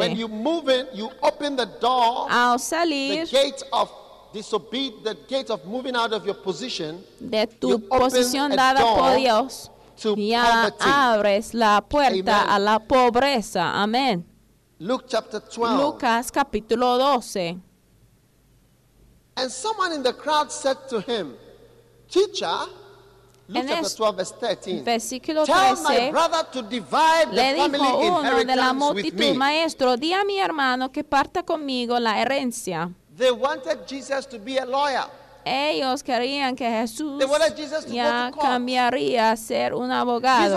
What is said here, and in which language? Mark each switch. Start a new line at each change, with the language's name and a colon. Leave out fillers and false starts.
English: When you move in, you open the door.
Spanish: Al salir,
English: the gate of disobedience, the gate of moving out of your position.
Spanish: De tu posición dada por Dios, ya abres la puerta a la pobreza. Amén.
English: Luke chapter 12.
Spanish: Lucas capítulo 12.
English: And someone in the crowd said to him, "Teacher."
Spanish: Versículo 13, le dijo uno de la multitud, maestro, di a mi hermano que parta conmigo la herencia.
English: They wanted Jesus to be a lawyer.
Spanish: Ellos querían que Jesús Jesus ya cambiaría a ser un abogado.